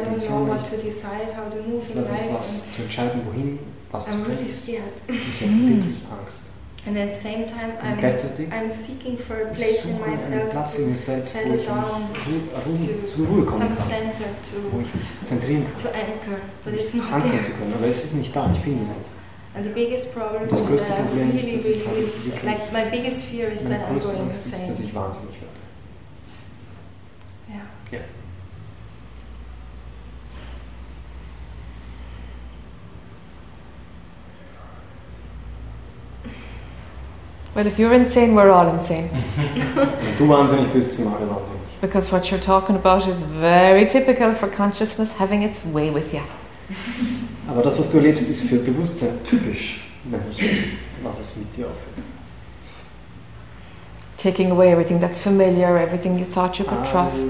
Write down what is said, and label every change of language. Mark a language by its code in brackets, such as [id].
[en] don't know what to decide, how to move in life. [de] Ich weiß nicht, was zu entscheiden, wohin, was zu tun. [en] I'm really scared. [de] Ich habe wirklich Angst. [en] And at the same time, I'm seeking for a place in myself to [de] in mir selbst, [en] settle down, to some center to, [de] wo ich mich zentrieren kann, [en] to anchor, but it's not [de] ankern [en] there. [de] Zu können, aber es ist nicht da, ich finde es nicht. [en] And the biggest problem [de] das größte [en] is that [de] Problem [en] really, [de] ist, dass [en] really, [de] ich [en] really, [de] wirklich, [en] like my biggest fear is that I'm going insane. [de] Meine größte Angst ist, dass ich wahnsinnig werde. [en] Well, if you're insane, we're all insane. [de] Wenn du wahnsinnig bist, sind alle wahnsinnig. [en] Because what you're talking about is very typical for consciousness having its way with you. [de] Aber das, was du erlebst, ist für Bewusstsein typisch, nämlich was es mit dir aufhört. [en] Taking away everything that's familiar, everything you thought you could trust.